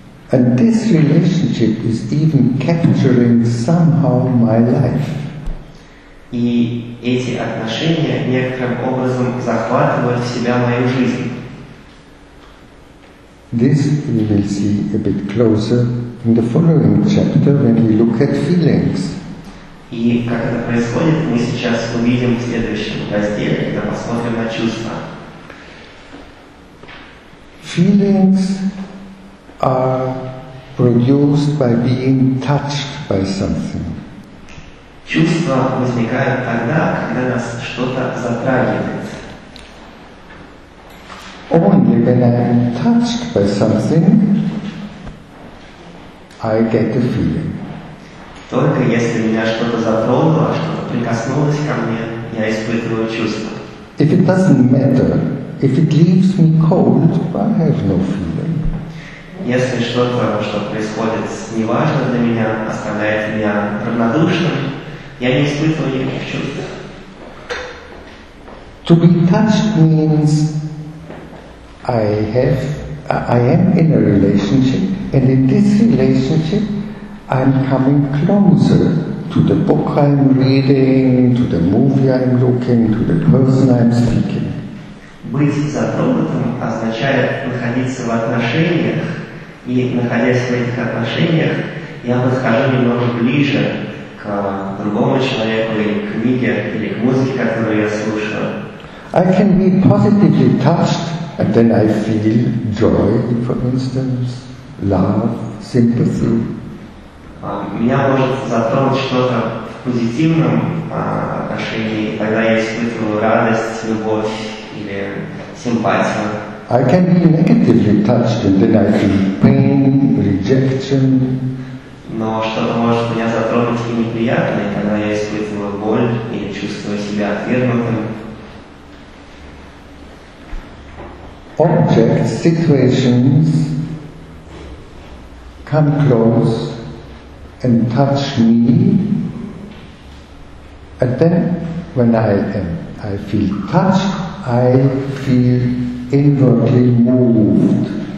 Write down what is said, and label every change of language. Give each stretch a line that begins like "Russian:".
English: And this relationship is even capturing somehow my life.
Russian: И эти отношения некоторым образом захватывают в себя мою жизнь.
English: This we will see a bit closer in the following chapter when we look at feelings.
Russian: И как это происходит, мы сейчас увидим в следующем разделе, когда посмотрим на чувства.
English: Feelings are produced by being touched by something.
Russian: Чувства возникают тогда, когда нас что-то затрагивает.
English: Only when I am touched by something, I get a feeling.
Russian: Только если меня что-то затронуло, что-то прикоснулось ко мне, я испытываю чувство.
English: If it doesn't matter, if it leaves me cold, I have no feeling.
Russian: Если что-то, что происходит, неважно для меня, оставляет меня равнодушным, я не испытываю никаких чувств.
English: To be touched means I am in a relationship, and in this relationship I'm coming closer to the book I'm reading, to the movie I'm looking, to the person I'm speaking.
Russian: Быть затронутым означает находиться в отношениях, и находясь в этих отношениях, я подхожу немного ближе к другому человеку, или к книге, или к музыке, которую я слушаю.
English: I can be positively touched, and then I feel joy, for instance, love, sympathy.
Russian: Меня может затронуть что-то в позитивном отношении, тогда я испытываю радость, любовь или симпатию.
English: I can be negatively touched, and then I feel pain, rejection.
Russian: Но что-то может меня затронуть и неприятно, и тогда я испытываю боль или чувствую себя отвергнутым.
English: Objects, situations come close and touch me, and then when I feel touched, I feel inwardly moved.